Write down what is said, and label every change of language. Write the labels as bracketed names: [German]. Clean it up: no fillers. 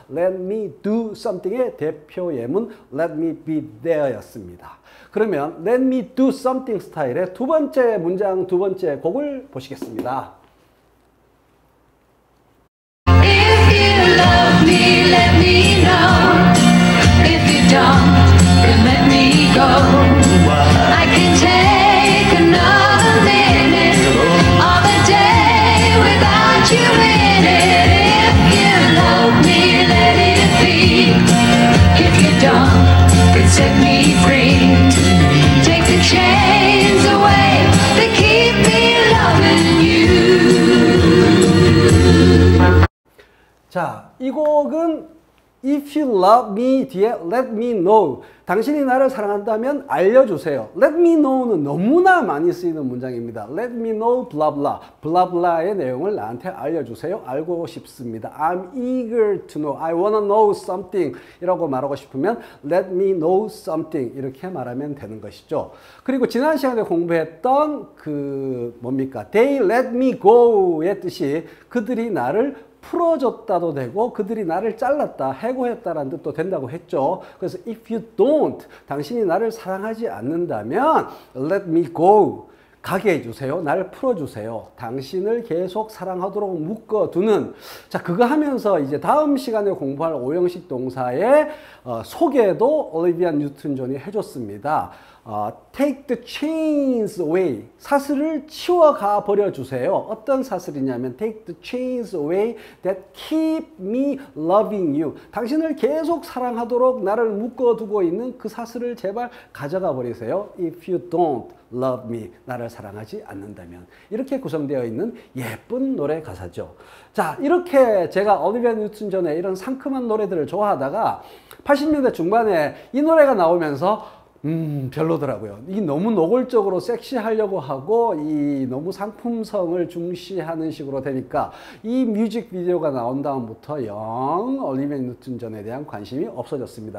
[English] Let me do something의 [Korean] 대표 예문 [English] Let me be there [Korean] 였습니다. 그러면 [English] Let me do something [Korean] 스타일의 두 번째 문장, 두 번째 곡을 보시겠습니다. [English] If you love me, let me know. If you don't, then let me go. I can take another minute of a day without you in it. If you love me, let it be. If you don't, then set me free. Chains away that keep me loving you. [Korean] 자, 이 곡은 [English] If you love me [Korean] 뒤에 [English] let me know. [Korean] 당신이 나를 사랑한다면 알려주세요. [English] Let me know는 너무나 [Korean] 많이 쓰이는 문장입니다. [English] Let me know blah blah. [Korean] blah blah의 내용을 나한테 알려주세요. 알고 싶습니다. [English] I'm eager to know. I wanna know something. [Korean] 이라고 말하고 싶으면 [English] Let me know something. [Korean] 이렇게 말하면 되는 것이죠. 그리고 지난 시간에 공부했던 그 뭡니까? [English] They let me go의 [Korean] 뜻이 그들이 나를 풀어줬다도 되고 그들이 나를 잘랐다, 해고했다라는 뜻도 된다고 했죠. 그래서 [English] if you don't, [Korean] 당신이 나를 사랑하지 않는다면 [English] let me go, [Korean] 가게 해주세요. 나를 풀어주세요. 당신을 계속 사랑하도록 묶어두는. 자, 그거 하면서 이제 다음 시간에 공부할 5형식 동사의 소개도 올리비아 뉴튼 존이 해줬습니다. [English] Take the chains away. [Korean] 사슬을 치워가 버려주세요. 어떤 사슬이냐면 [English] Take the chains away that keep me loving you. [Korean] 당신을 계속 사랑하도록 나를 묶어두고 있는 그 사슬을 제발 가져가 버리세요. [English] If you don't love me, [Korean] 나를 사랑하지 않는다면. 이렇게 구성되어 있는 예쁜 노래 가사죠. 자, 이렇게 제가 올리비아 뉴튼 존의 이런 상큼한 노래들을 좋아하다가 80년대 중반에 이 노래가 나오면서 별로더라고요. 이게 너무 노골적으로 섹시하려고 하고 이 너무 상품성을 중시하는 식으로 되니까 이 뮤직비디오가 나온 다음부터 영 올리비아 뉴튼 존에 대한 관심이 없어졌습니다.